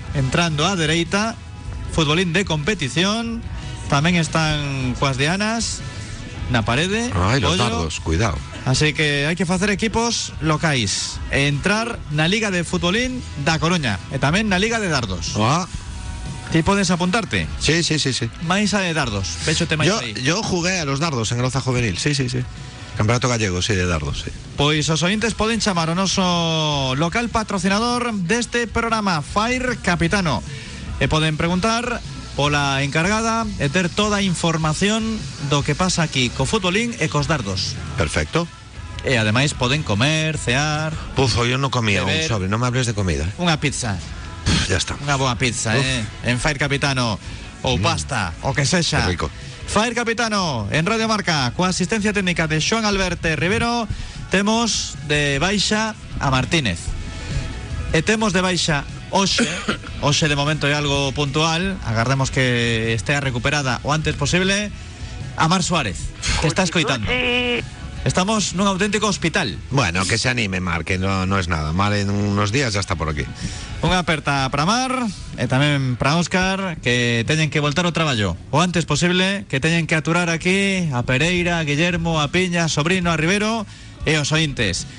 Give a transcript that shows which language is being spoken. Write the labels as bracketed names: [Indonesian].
[Galician] entrando a dereita, futbolín de competición, tamén están coas dianas na parede. [Spanish] Ai, los dardos, cuidado. [Galician] Así que hai que facer equipos locais, entrar na liga de futbolín da Coruña e tamén na liga de dardos. [Spanish] ¿Te puedes apuntarte? Sí. [Galician] Maisa de dardos, véxote maisa ahí. [Spanish] Yo jugué a los dardos en Groza Juvenil, sí. Campeonato gallego, sí, de dardos, sí. [Galician] Pois os ointes poden chamar o noso local patrocinador deste programa, Fire Capitano. E poden preguntar pola encargada e ter toda a información do que pasa aquí, co futbolín e cos dardos. Perfecto. E ademais poden comer, cear... [Spanish] Puzo, yo no comía beber, un sobre, no me hables de comida. Una pizza. Ya está. [Galician] Una boa pizza, en Fire Capitano. O pasta, o que sexa. [Spanish] Qué rico. [Galician] Fire Capitano, en Radio Marca, coa asistencia técnica de Xoán Alberto Rivero, temos de baixa a Martínez. E temos de baixa hoxe de momento é algo puntual, agardemos que estea recuperada o antes posible, a Mar Suárez, que está escoitando. Estamos nun auténtico hospital. [Spanish] Bueno, que se anime, Mar, que no es nada. Mar en unos días ya está por aquí. [Galician] Unha aperta para Mar e tamén para Óscar, que teñen que voltar ao traballo o antes posible, que teñen que aturar aquí a Pereira, a Guillermo, a Piña, a Sobrino, a Rivero e os ointes.